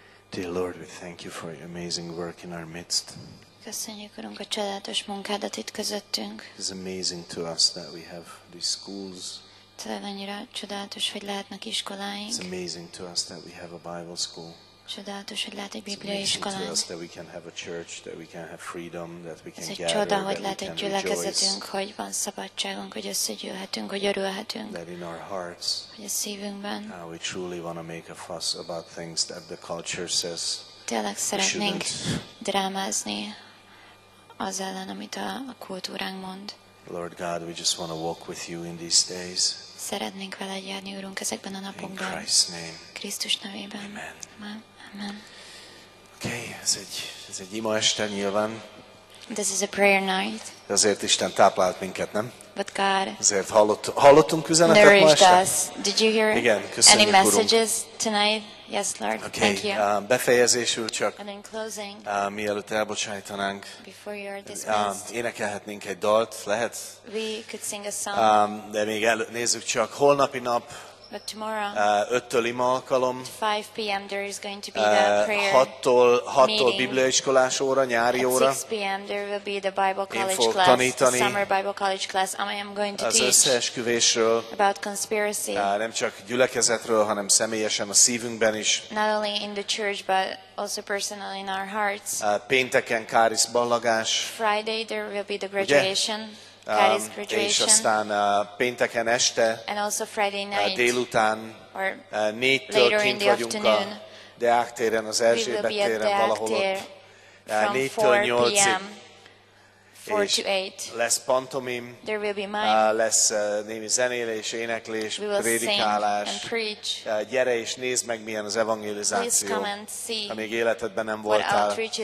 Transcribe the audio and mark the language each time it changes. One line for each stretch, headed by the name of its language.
English: Dear Lord, we thank you for your amazing work in our midst.
Hungarian: Köszönjük, Urunk, a csodálatos munkádat itt közöttünk.
English: It's amazing to us that we have these schools.
Hungarian: Tényleg annyira csodálatos, hogy lehetnek iskoláink.
English: It's amazing to us that we have a Bible school.
Hungarian: Csodálatos, hogy lehet egy Biblia iskolán.
English: It's amazing to us that we can have a church, that we can have freedom, that we can gather,
Hungarian: csoda,
English: that
Hungarian: lehet
English: we can rejoice.
Hungarian: Ez egy csoda, hogy lehet egy gyülekezetünk, hogy van szabadságunk, hogy összegyűlhetünk, hogy örülhetünk.
English: That in our hearts,
Hungarian: hogy a szívünkben.
English: How we truly want to make a fuss about things that the culture says.
Hungarian: Tényleg szeretnénk drámázni az ellen, amit a kultúránk mond.
English: Lord God, we just want to walk with you in these days.
Hungarian: Szeretnénk veled járni, Urunk, ezekben a napokban.
English: In Christ's name.
Hungarian: Krisztus nevében.
English: Amen.
Hungarian: Amen. Okay, ez egy ima este nyilván.
English: This is a prayer night.
Hungarian: Azért Isten táplált minket, nem?
English: But God.
Hungarian: Azért hallottunk üzenetet ma este.
English: Us. Did you hear
Hungarian: Igen,
English: any messages tonight? Yes, Lord. Okay, thank you.
Hungarian: Befejezésül csak.
English: And in closing.
Hungarian: Mielőtt elbocsájtanánk.
English: Before you are dismissed.
Hungarian: Énekelhetnénk egy dalt, lehet?
English: We could sing a song.
Hungarian: De még nézzük csak holnapi nap.
English: But tomorrow.
Hungarian: 5-től ima alkalom.
English: 5 p.m. there is going to be the prayer.
Hungarian: 6-tól bibliaiskolás óra, nyári óra.
English: 6 p.m. there will be the Bible college class.
Hungarian: Tanítani.
English: Summer Bible college class. I am going to
Hungarian: az
English: teach.
Hungarian: Az összeesküvésről.
English: About conspiracy.
Hungarian: Nem csak gyülekezetről, hanem személyesen a szívünkben is.
English: Not only in the church but also personally in our hearts.
Hungarian: Pénteken káris ballagás.
English: Friday there will be the graduation.
Hungarian: Ugye? És aztán pénteken este, délután, 4-től kint vagyunk a Deák téren, az Erzsébet téren valahol ott, 4-től 8-ig, és lesz pantomim, lesz némi zenélés, éneklés, prédikálás, gyere és nézd meg, milyen az evangelizáció, ha még életedben nem voltál,